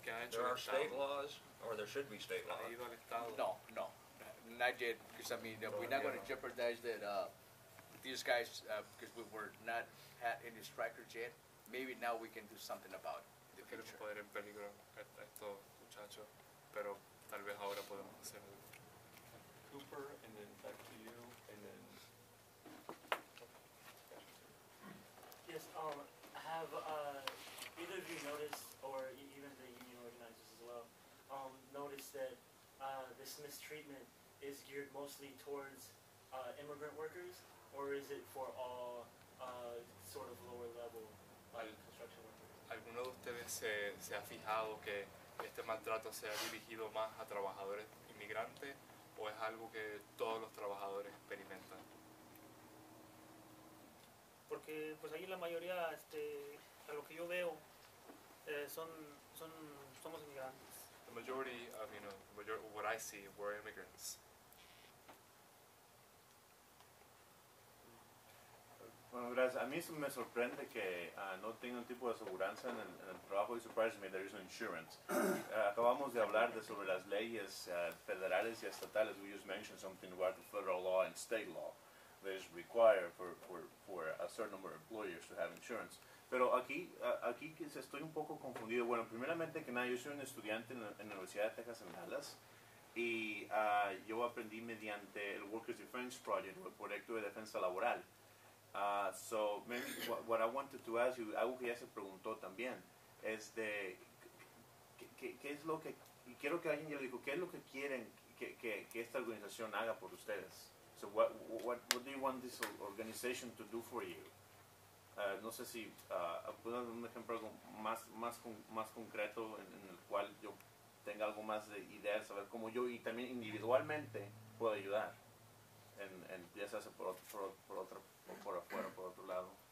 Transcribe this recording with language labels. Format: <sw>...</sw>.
<en>There are state laws, or there should be state laws? No. Not yet, because I mean, we're not going to jeopardize that these guys, because we were not had any strikers yet. Maybe now we can do something about it in the future.</en> <es>Poner en peligro a estos muchachos, pero tal vez ahora podemos hacer el...</es> <en>Cooper, and then back to you, and then. Yes, have either of you noticed, or even the union organizers as well, noticed that this mistreatment is geared mostly towards immigrant workers, or is it for all sort of lower level construction workers?</en> <es>¿Alguno de ustedes se ha fijado que este maltrato se ha dirigido más a trabajadores inmigrantes, o es algo que todos los trabajadores experimentan? Porque pues ahí la mayoría, a lo que yo veo, somos inmigrantes.</es> <en>The majority of, what I see, were immigrants.</en> <es>Bueno, gracias. A mí me sorprende que no tenga un tipo de seguridad en el trabajo.</es> <en>It surprises me there is no insurance.</en> <es>Acabamos de hablar sobre las leyes federales y estatales.</es> <en>We just mentioned something about the federal law and state law that is required for a certain number of employers to have insurance.</en> <es>Pero aquí estoy un poco confundido. Bueno, primeramente que nada, yo soy un estudiante en la Universidad de Texas en Dallas. Y yo aprendí mediante el Workers' Defense Project, el proyecto de defensa laboral.</es> <en>So maybe what I wanted to ask you,</en> <es>algo que ya se preguntó también, es de qué es lo que, y quiero que alguien ya lo dijo, qué es lo que quieren que esta organización haga por ustedes.</es> <en>So what do you want this organization to do for you?</en> <es>No sé si puedo dar un ejemplo más concreto en el cual yo tenga algo más de idea, saber cómo yo y también individualmente puedo ayudar. En ya se hace por otro. Por afuera, por otro lado.</es>